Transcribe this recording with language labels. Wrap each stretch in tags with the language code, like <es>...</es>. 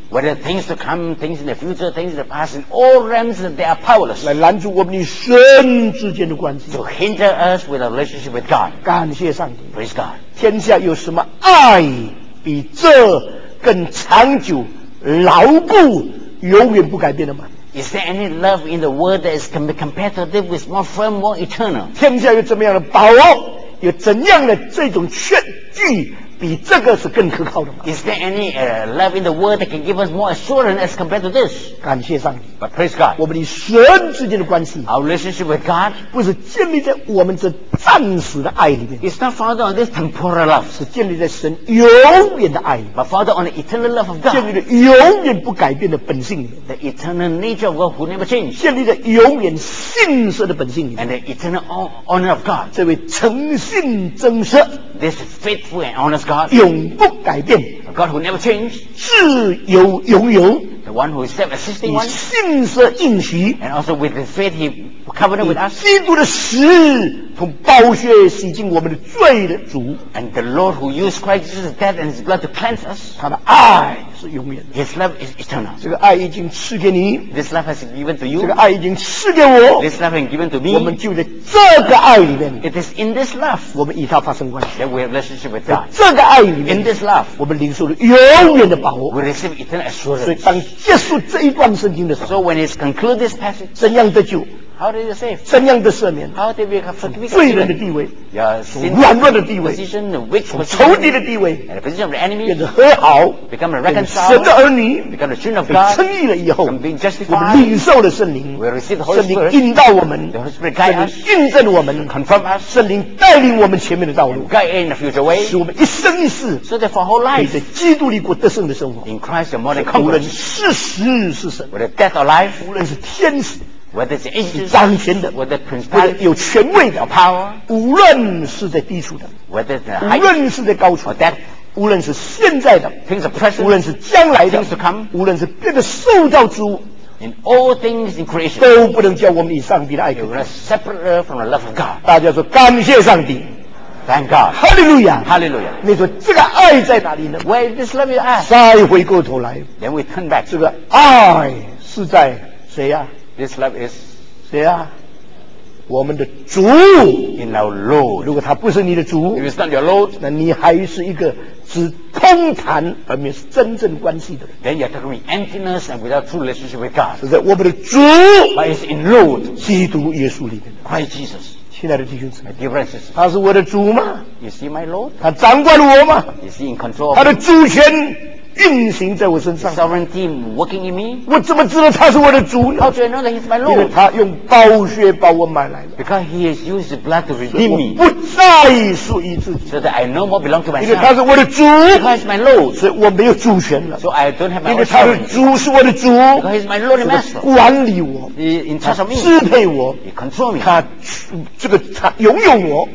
<en>Whether things to come, things in the future, things in the past, in all realms, they are powerless.</en> <zh>来拦阻我们与神之间的关系。</zh> <en>To hinder us with a relationship with God.</en> <zh>感谢上帝。</zh> <en>Praise God.</en> <zh>天下有什么爱比这更长久、牢固、永远不改变的吗？</zh> <en>Is there any love in the world that is can be competitive with more firm, more eternal?</en> <zh>天下有怎么样的把握，有怎样的这种劝句？比这个是更可靠的吗？</zh> <en>Is there any love in the world that can give us more assurance as compared to this?</en> <zh>感谢上帝。</zh> <en>But praise God.</en> <zh>我们与神之间的关系。</zh> <en>Our relationship with God.</en> <zh>不是建立在我们这暂时的爱里面。</zh> <en>It's not founded on this temporal love.</en> <zh>是建立在神永远的爱里面。</zh> <en>But founded on the eternal love of God.</en> <zh>建立在永远不改变的本性里面。</zh> <en>The eternal nature of God who never changes.</en> <zh>建立在永远信实的本性里面。</zh> <en>And the eternal honor of God.</en> <zh>这位诚信真实。</zh> <en>This faithful and honest God,</en> <zh>永不改变</zh> <en>a God who never changed,</en> <zh>自由拥有</zh> <en>the one who is self-existing one,</en> <zh>信实应许</zh> <en>and also with his faith he covenant with us,</en> <zh>基督的死从宝血洗净我们的罪的主</zh> <en>and the Lord who used Christ's death and his blood to cleanse us,</en> <zh>他的爱是永远的</zh> <en>his love is eternal,</en> <zh>这个爱已经赐给你</zh> <en>this love has been given to you,</en> <zh>这个爱已经赐给我</zh> <en>this love has been given to me,</en> <zh>我们就在这个爱里面</zh> <en>it is in this love,</en> <zh>我们与他发生关系</zh> <en>that we have relationship with God,</en> <zh>这个爱里面</zh> <en>in this love,</en> <zh>我们领受了永远的把握</zh> <en>we receive eternal assurance,</en> <zh>所以当结束这一段圣经的时候</zh> <en>so when it's conclude this passage,</en> <zh>怎样得救</zh> <en>How did you save?</en> <zh>怎样的赦免？</zh> <en>How did we forgive?</en> <zh>罪人的地位，</zh> <en>yeah,</en> <zh>软弱的地位，</zh> <en>position, weak position,</en> <zh>仇敌的地位，</zh> <en>and the position of the enemy,</en> <zh>变得和好，</zh> <en>become a reconciled,</en> <zh>神的儿女，</zh> <en>become the children of God,</en> <zh>称义了以后，</zh> <en>from being justified,</en> <zh>我们领受了圣灵，</zh> <en>we receive the Holy Spirit,</en> <zh>圣灵引导我们，</zh> <en>the Holy Spirit guide us,</en> <zh>圣灵印证我们，</zh> <en>confirm us,</en> <zh>圣灵带领我们前面的道路，</zh> <en>guide in the future way,</en> <zh>使我们一生一世，</zh> <en>so that for whole life,</en> <zh>可以在基督里过得胜的生活，</zh> <en>in Christ the more than conquerors,</en> <zh>无论是死是生，</zh> <en>whether death or life,</en> <zh>无论是天使。</zh> <en>Whether it's ages,</en> <zh>是掌权的</zh> <en>whether principality,</en> <zh>有权威的</zh> <en>power,</en> <zh>无论是在低处的</zh> <en>whether it's the</en> <zh>height, 无论是在高处的</zh> <en>or depth,</en> <zh>无论是现在的</zh> <en>things are present,</en> <zh>无论是将来的</zh> <en>things to come,</en> <zh>无论是别的受造之物</zh> <en>in all things in creation,</en> <zh>都不能叫我们与上帝的爱</zh> <en>you will separate us from the love of God</en> <zh>大家说感谢上帝</zh> <en>Thank God. Hallelujah. Hallelujah.</en> <zh>你说这个爱在哪里呢？</zh> <en>Where is this love at?</en> <zh>再回过头来</zh> <en>Then we turn back.</en> <zh>这个爱是在谁啊？</zh> <en>This love is</en> <zh>谁啊？我们的主</zh> <en>in our Lord.</en> <zh>如果他不是你的主</zh> <en>if it's not your Lord,</en> <zh>那你还是一个只空谈而没有真正关系的人。</zh> <en>Then you're talking with emptiness and without true relationship with God.</en> <zh>是在我们的主</zh> <en>but it's in Lord,</en> <zh>基督耶稣里面的</zh> <en>Christ Jesus.</en> <zh>亲爱的弟兄姊妹</zh> <en>dear friends,</en> <zh>他是我的主吗？</zh> <en>Is he my Lord?</en> <zh>他掌管了我吗？</zh> <en>Is he in control?</en> <zh>他的主权运行在我身上</zh> <en>Sovereignty working in me</en> <zh>我怎么知道他是我的主呢</zh> <en>How do I know that he's my Lord</en> <zh>因为他用宝血把我买来了</zh> <en>Because he has used his blood to redeem me</en> <zh>不再属于自己</zh> <en>So that I no more belong to myself</en> <zh>因为他是我的主</zh> <en>Because he's my Lord</en> <zh>所以我没有主权了</zh> <en>So I don't have my</en> <zh>因为他的主是我的主</zh> <en>Because he's my Lord and Master</en> <zh>管理我</zh> <en>In charge of me</en> <zh>支配我</zh> <en>He control me</en> <zh>他这个他拥有我</zh>